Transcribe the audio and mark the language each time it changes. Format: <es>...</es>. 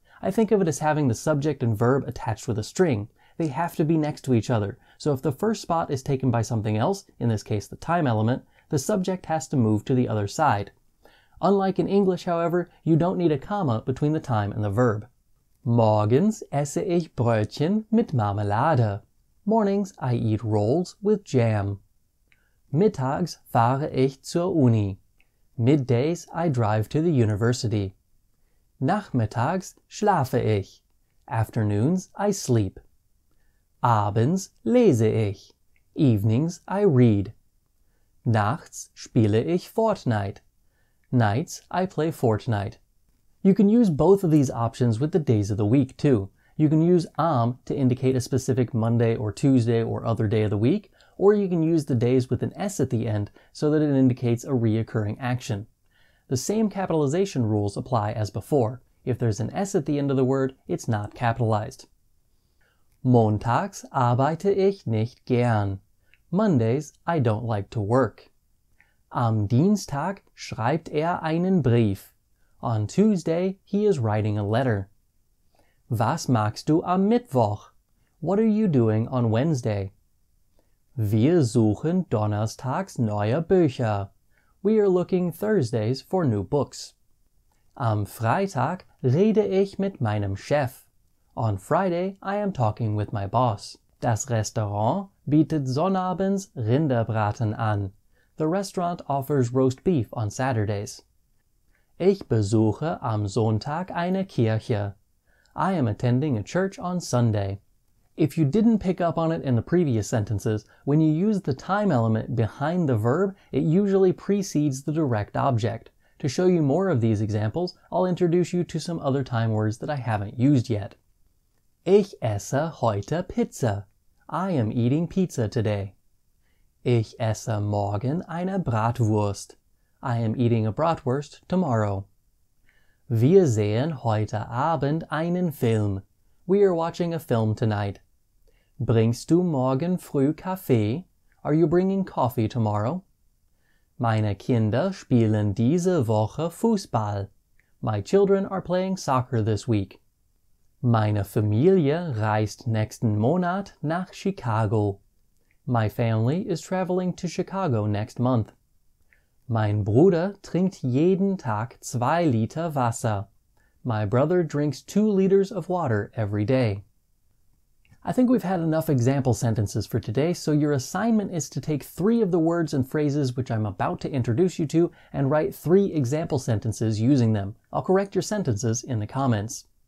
<en>I think of it as having the subject and verb attached with a string. They have to be next to each other, so if the first spot is taken by something else, in this case the time element, the subject has to move to the other side. Unlike in English, however, you don't need a comma between the time and the verb.</en> <de>Morgens esse ich Brötchen mit Marmelade.</de> <en>Mornings I eat rolls with jam.</en> <de>Mittags fahre ich zur Uni.</de> <en>Middays I drive to the university.</en> <de>Nachmittags schlafe ich.</de> <en>Afternoons I sleep.</en> <de>Abends lese ich.</de> <en>Evenings I read.</en> <de>Nachts spiele ich Fortnite.</de> <en>Nights I play Fortnite. You can use both of these options with the days of the week, too. You can use am to indicate a specific Monday or Tuesday or other day of the week, or you can use the days with an S at the end so that it indicates a reoccurring action. The same capitalization rules apply as before. If there's an S at the end of the word, it's not capitalized.</en> <de>Montags arbeite ich nicht gern.</de> <en>Mondays, I don't like to work.</en> <de>Am Dienstag schreibt einen Brief.</de> <en>On Tuesday, he is writing a letter.</en> <de>Was machst du am Mittwoch?</de> <en>What are you doing on Wednesday?</en> <de>Wir suchen donnerstags neue Bücher.</de> <en>We are looking Thursdays for new books.</en> <de>Am Freitag rede ich mit meinem Chef.</de> <en>On Friday, I am talking with my boss.</en> <de>Das Restaurant bietet sonnabends Rinderbraten an.</de> <en>The restaurant offers roast beef on Saturdays.</en> <de>Ich besuche am Sonntag eine Kirche.</de> <en>I am attending a church on Sunday. If you didn't pick up on it in the previous sentences, when you use the time element behind the verb, it usually precedes the direct object. To show you more of these examples, I'll introduce you to some other time words that I haven't used yet.</en> <de>Ich esse heute Pizza.</de> <en>I am eating pizza today.</en> <de>Ich esse morgen eine Bratwurst.</de> <en>I am eating a bratwurst tomorrow.</en> <de>Wir sehen heute Abend einen Film.</de> <en>We are watching a film tonight.</en> <de>Bringst du morgen früh Kaffee?</de> <en>Are you bringing coffee tomorrow?</en> <de>Meine Kinder spielen diese Woche Fußball.</de> <en>My children are playing soccer this week.</en> <de>Meine Familie reist nächsten Monat nach Chicago.</de> <en>My family is traveling to Chicago next month.</en> <de>Mein Bruder trinkt jeden Tag 2 Liter Wasser.</de> <en>My brother drinks 2 liters of water every day. I think we've had enough example sentences for today, so your assignment is to take 3 of the words and phrases which I'm about to introduce you to and write 3 example sentences using them. I'll correct your sentences in the comments.</en>